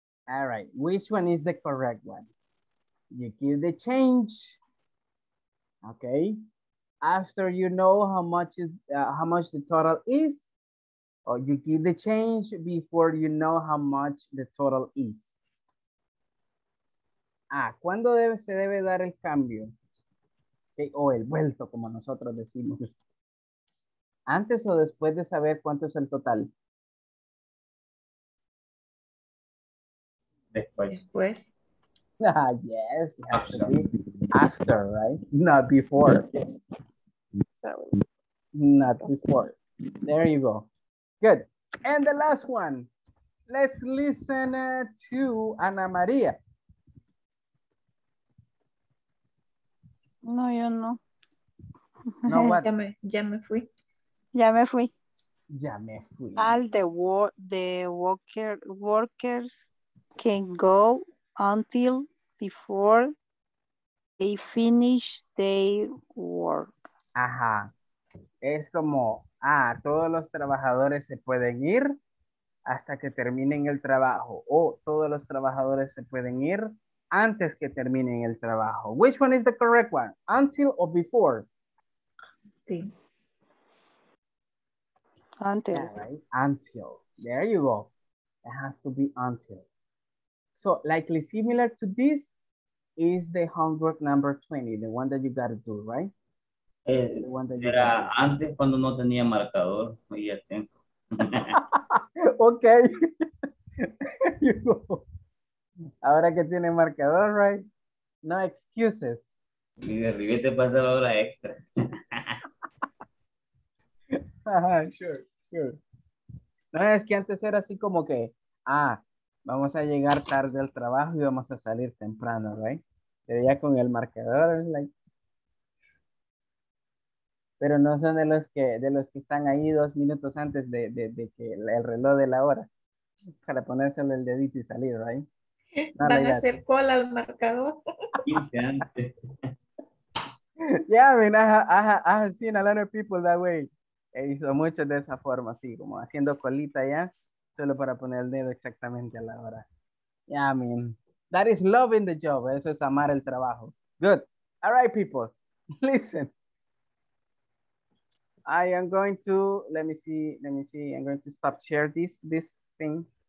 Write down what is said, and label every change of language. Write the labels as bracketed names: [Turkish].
[English] All right. Which one is the correct one? You give the change, okay, after you know how much the total is, or you give the change before you know how much the total is. [Spanish] A, ¿cuándo debe, se debe dar el cambio? Okay, o el vuelto, como nosotros decimos. ¿Antes o después de saber cuánto es el total? Después. [English] Ah, yes. After. After, right? Not before. Not before. There you go. Good. And the last one. Let's listen to Ana María. [Spanish] No, yo no. [English] No, what? [Spanish] Ya me fui. Ya me fui. Ya me fui. [English] All the workers can go until before they finish their work. Ajá. [Spanish] Es como, ah, todos los trabajadores se pueden ir hasta que terminen el trabajo. O todos los trabajadores se pueden ir antes que terminen el trabajo. [English] Which one is the correct one? Until or before? [Spanish] Sí. [English] Until. Right. Until. There you go. It has to be until. So, likely similar to this is the homework number 20, the one that you got to do, right? [Spanish] Era antes cuando no tenía marcador, y ya tengo. [English] Ok. You go. [Spanish] Ahora que tiene marcador, [English] right? No excuses. [Spanish] Y de ribete pasa la hora extra. [English] sure. [Spanish] No, es que antes era así como que, ah, vamos a llegar tarde al trabajo y vamos a salir temprano, [English] right? [Spanish] Pero ya con el marcador, [English] like. [Spanish] Pero no son de los que están ahí 2 minutos antes de que el reloj de la hora para ponérselo el dedito y salir, ¿verdad? [English] Right? [Spanish] No, van a hacer cola al marcador. Ya, [English] yeah, I mean, I have seen a lot of people that way. [Spanish] He visto muchos de esa forma, así como haciendo colita ya, solo para poner el dedo exactamente a la hora. [English] Yeah, I mean, that is loving the job. [Spanish] Eso es amar el trabajo. [English] Good. All right, people, listen. I am going to, let me see, I'm going to stop share this thing.